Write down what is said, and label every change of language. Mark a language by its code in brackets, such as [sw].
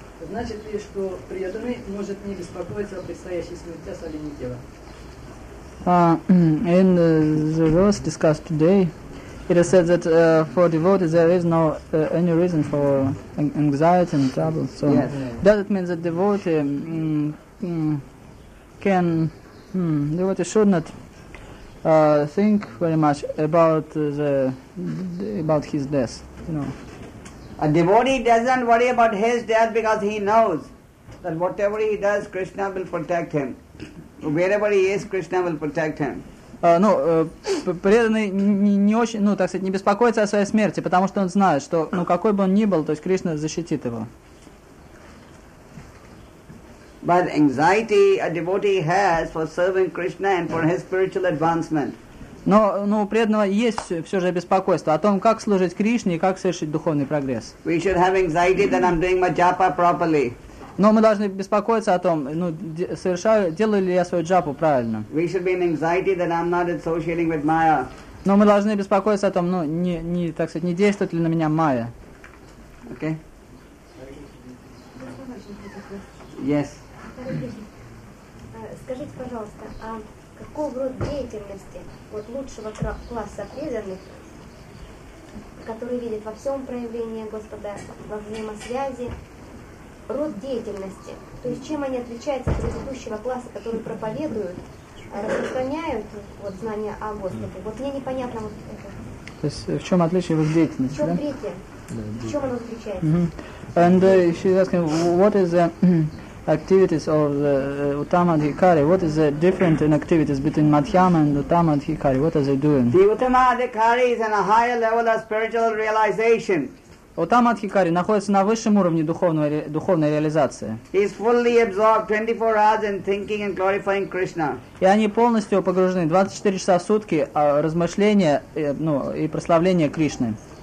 [ru] Значит ли, что преданный может не беспокоиться о предстоящей смерти соленья тела? [en] In the verse discussed today, it is said that for devotees there is no any reason for anxiety and trouble. So yes. That means that devotee can devotee should not think very much about the about his death. You know, a devotee doesn't worry about his death because he knows that whatever he does, Krishna will protect him. Wherever he is, Krishna will protect him. [ru] Преданный не очень, ну, так сказать, не беспокоится о своей смерти, потому что он знает, что, ну, какой бы он ни был, то есть Кришна защитит его. [en] But anxiety a devotee has for serving Krishna and for his spiritual advancement. [ru] Но, ну, у преданного есть все же беспокойство о том, как служить Кришне и как совершить духовный прогресс. [en] We should have anxiety that I'm doing my japa properly. [ru] Но мы должны беспокоиться о том, ну, делаю ли я свою джапу правильно. [en] We should be in anxiety that I'm not associating with Maya. [ru] Но мы должны беспокоиться о том, ну, не так сказать, не действует ли на меня Майя. [en] Okay. Yes. [ru] Скажите, пожалуйста, а какой род деятельности вот лучшего класса преданных, который видит во всем проявлении Господа, во взаимосвязи, род деятельности, то есть чем они отличаются от предыдущего класса, который проповедуют, распространяют вот знания о Господе? Вот мне непонятно вот это. То есть в чем отличие вот деятельности? В чем, да? Третье? Да, в чем оно отличается? Mm-hmm. [en] And she's asking what is the activities of the Uttamadhikari. What is the difference in activities between Madhyama and Uttamadhikari? What are they doing? The Uttamadhikari is on a higher level of spiritual realization. [ru] Uttamadhikari находится на высшем уровне духовной реализации. [en] He is fully absorbed 24 hours in thinking and glorifying Krishna. [ru] И они полностью погружены 24 часа в сутки размышления и прославления Кришны.